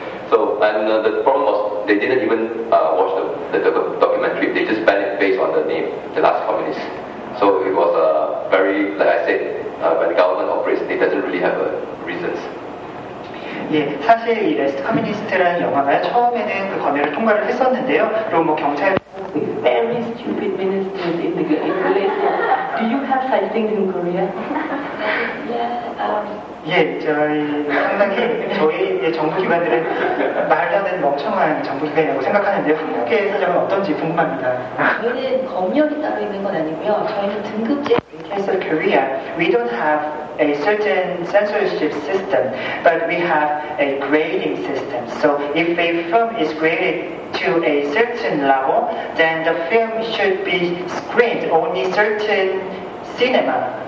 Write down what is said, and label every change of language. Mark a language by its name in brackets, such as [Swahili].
[English] So, and the problem was they didn't even watch the documentary. They just banned it based on the name, The Last Communist. So it was a very, like I said, when the government operates, it doesn't really have reasons. [Korean] 예, 사실 이 레스트 커뮤니스트라는 영화가 처음에는 그 검열을 통과를 했었는데요. 그리고 뭐 경찰 [English] Very stupid ministers in the Malaysia. Do you have such things in Korea? Yeah. [Korean] 예, 저희 상당히 저희 정부 기관들은 말하는 멍청한 정부 기관이라고 생각하는데요. 한국의 사정은 어떤지 궁금합니다. 저희는 검열이 따로 있는 건 아니고요. 저희는 등급제. [English] Case of Korea, we don't have a certain censorship system, but we have a grading system. So if a film is graded to a certain level, then the film should be screened only certain cinema.